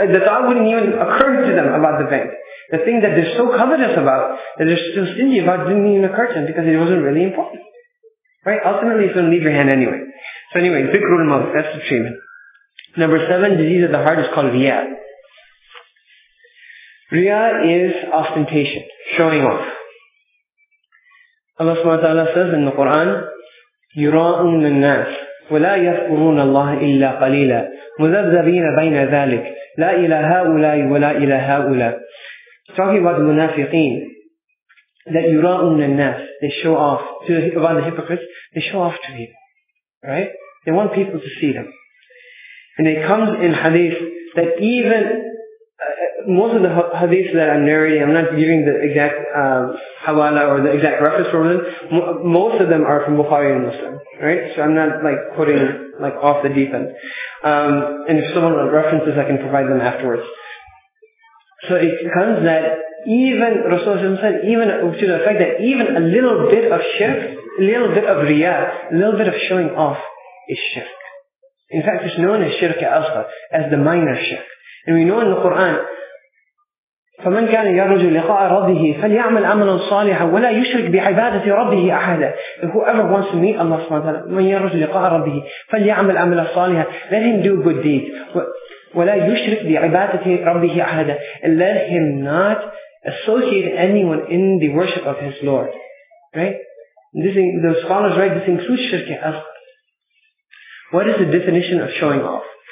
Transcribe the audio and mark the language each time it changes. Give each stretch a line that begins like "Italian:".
English: The thought wouldn't even occur to them about the bank. The thing that they're so covetous about, that they're still stingy about, didn't even occur to them because it wasn't really important. Right? Ultimately, it's going to leave your hand anyway. So anyway, zikrul maut, that's the treatment. Number 7, disease of the heart is called riya. Riya is ostentation, showing off. Allah subhanahu wa ta'ala says in the Qur'an,
Arabic: يراؤون الناس ولا يذكرون الله إلا قليلا مذبذبين بين ذلك لا إلى هؤلاء ولا إلى هؤلاء.
English: Talking about the munafiqeen, that
Arabic: يراؤون الناس,
English: they show off to about the hypocrites, they show off to people, right? They want people to see them, and it comes in hadith that even most of the hadith that I'm narrating, I'm not giving the exact hawala or the exact reference for them. Most of them are from Bukhari and Muslim, right? So I'm not like putting like off the deep end. And if someone references, I can provide them afterwards. So it comes that even Rasulullah said, even to the fact that even a little bit of shirk, a little bit of riya, a little bit of showing off is shirk. In fact, it's known as shirk al-asghar, as the minor shirk.
Arabic: And we know in the Quran, فَمَنْ كَانَ يَرْجُوا لِقَاءَ رَبِّهِ فَلْيَعْمَلْ عَمَلًا صَالِحًا وَلَا يُشْرِكْ بِعِبَادَةِ رَبِّهِ أَحَدًا.
English: And whoever wants to meet Allah subhanahu wa ta'ala,
Arabic: مَنْ يَرْجُوا لِقَاءَ رَبِّهِ فَلْيَعْمَلْ عَمَلًا صَالِحًا.
English: Let him do good deeds.
Arabic: وَلَا يُشْرِكْ بِعِبَادَةِ رَبِّهِ أَحَدًا.
English: And let him not associate anyone in the worship of his Lord. Right? The scholars write, this includes shirk al-asghar. What is the definition of showing off?